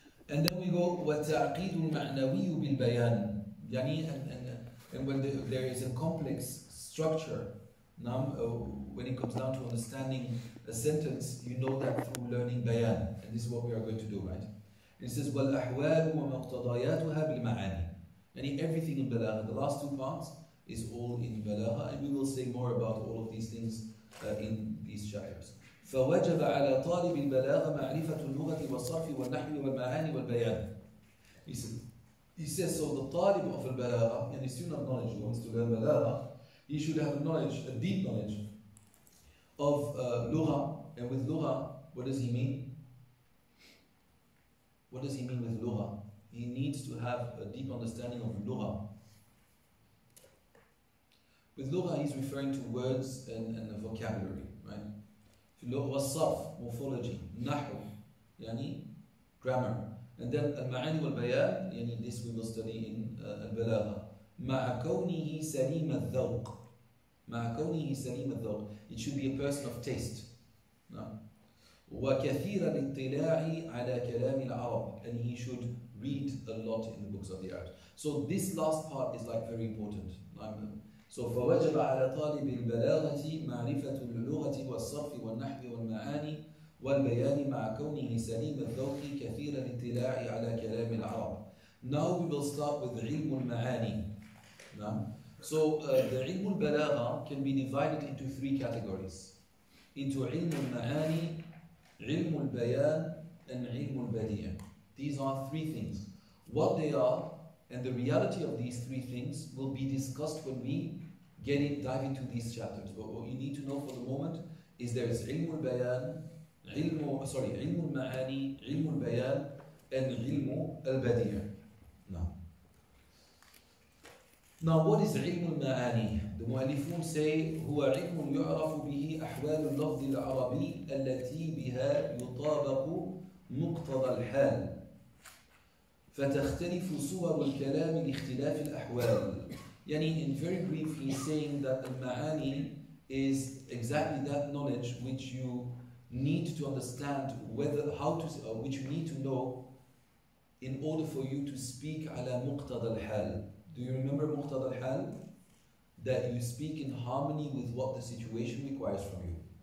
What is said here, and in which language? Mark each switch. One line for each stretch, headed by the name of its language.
English: And then we go,
Arabic: وَتَعْقِيدُ الْمَعْنَوِيُّ بِالْبَيَانِ
English: يعني, and when there is a complex structure, when it comes down to understanding a sentence, you know that through learning bayan. And this is what we are going to do, right? It says,
Arabic: وَالْأَحْوَالُ وَمَقْتَضَيَاتُهَا بِالْمَعَانِ
English: يعني everything in balagha. The last two parts is all in balagha. And we will say more about all of these things in these chapters.
Arabic: فوجب على طالب البلاغة معرفة اللغة والصرف والنحو والمعاني والبيان.
English: He says, so the طالب of البلاغة, and the student of knowledge who wants to learn البلاغة, he should have knowledge, a deep knowledge of لغة. And with لغة, what does he mean? What does he mean with لغة? He needs to have a deep understanding of لغة. With لغة, he's referring to words and vocabulary, right? وصف, morphology, نحو, يعني grammar. And then
Arabic: المعاني والبيان,
English: يعني this we will study in البلاغة.
Arabic: مع كونه سليم الذوق. مع كونه سليم الذوق.
English: It should be a person of taste. No.
Arabic: وكثير الاطلاع على كلام العرب.
English: And he should read a lot in the books of the Arabs. So this last part is like very important. So
Arabic: فوجب على طالب البلاغة معرفة اللغة والصرف والنحو والمعاني والبيان مع كونه سليم الذوق كثير الاطلاع على كلام العرب.
English: Now we will start with علم المعاني. So the علم البلاغة can be divided into three categories. Into علم المعاني, علم البيان, and علم البديع. These are three things. What they are and the reality of these three things will be discussed when we get it, dive into these chapters. But what you need to know for the moment is there is ilmu al-bayan, ilmu al-ma'ani, ilmu al-bayan, and ilmu al-badi'ah. Now, what is ilmu al-ma'ani? The mu'allifun say,
Arabic: هو علم يعرف به أحوال اللفظ العربي التي بها يطابق مقتضى الحال فتختلف صور الكلام لاختلاف الأحوال.
English: Yani, in very brief, he's saying that al-ma'ani is exactly that knowledge which you need to understand which you need to know in order for you to speak ala muqtada al-hal. Do you remember muqtada al-hal? That you speak in harmony with what the situation requires from you.